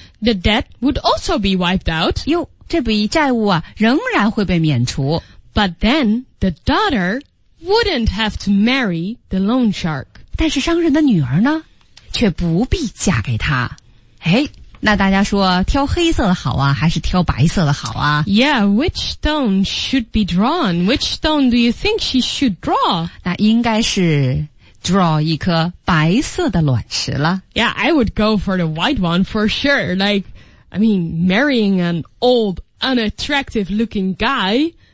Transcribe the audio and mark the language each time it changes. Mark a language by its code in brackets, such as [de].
[en] The debt would also be wiped out. [zh] 哟，这笔债务啊，仍然会被免除。 [en] But then the daughter wouldn't have to marry the loan shark. [zh] 但是商人的女儿呢，却不必嫁给他。哎。那大家说挑黑色的好啊，还是挑白色的好啊？ [en] Yeah, which stone should be drawn? Which stone do you think she should draw? [zh] 那应该是 draw 一颗白色的卵石了。 [en] Yeah, I would go for the white one for sure. Like, I mean, marrying an old, unattractive looking guy?